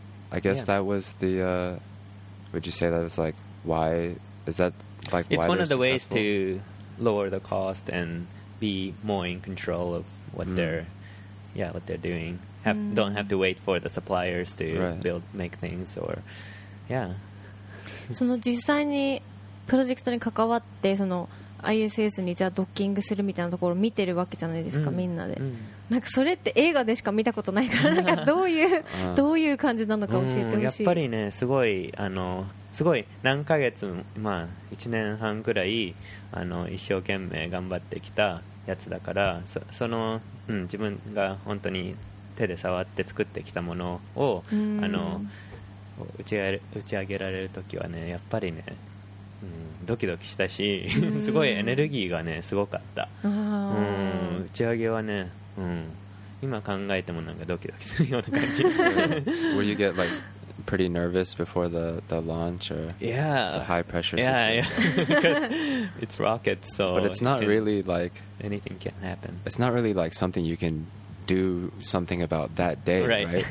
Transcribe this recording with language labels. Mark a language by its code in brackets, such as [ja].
[en] I guess that was the, would you say that was like, why is that like, it's why it's one of the successful? Ways to lower the cost and be more in control of what they're, yeah, what they're doing. Don't have to wait for the suppliers to build, make things or, yeah. [ja] その実際にプロジェクトに関わってそのISS にじゃあドッキングするみたいなところを見てるわけじゃないですか、みんなで。なんかそれって映画でしか見たことないからなんかどういうどういう感じなのか教えてほしい。やっぱりね、すごいあのすごい何ヶ月、まあ1年半くらいあの一生懸命頑張ってきたやつだから、 その、自分が本当に手で触って作ってきたものをあの打ち上げられるときはね、やっぱりね、ドキドキしたし、すごいエネルギーがねすごかった。打ち上げはね、今考えてもなんかドキドキするような感じ。 [en] Will you get like pretty nervous before the launch or it's a high pressure situation? Yeah. It's rockets, so. But it's not really like anything can happen. It's not really like something you can do something about that day, right?